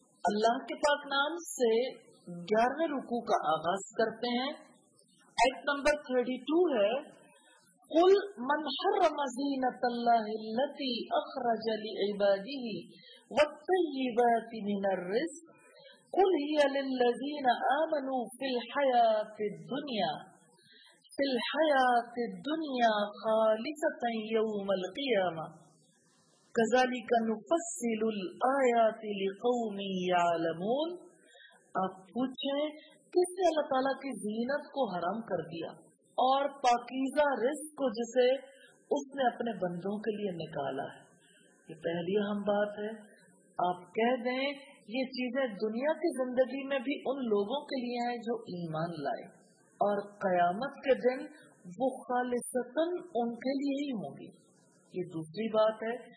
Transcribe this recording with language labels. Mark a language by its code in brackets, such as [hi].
[ur] اللہ کے پاک نام سے 11 رکوع کا آغاز کرتے ہیں. آیت نمبر 32 ہے، [ar] قل من حرم زینت اللہ التي اخرج لعباده والطیبات من الرزق قل هي للذین آمنوا فی الحیاة الدنیا خالصة یوم القیامة کذالک نفصل الآیات لقوم یعلمون. [ur] آپ پوچھیں، کس نے اللہ تعالیٰ کی زینت کو حرام کر دیا اور پاکیزہ رزق کو جسے اس نے اپنے بندوں کے لیے نکالا ہے؟ یہ پہلی اہم بات ہے. آپ کہہ دیں، یہ چیزیں دنیا کی زندگی میں بھی ان لوگوں کے لیے ہیں جو ایمان لائے، اور قیامت کے دن وہ خالصتاً ان کے لیے ہی ہوں گی. یہ دوسری بات ہے.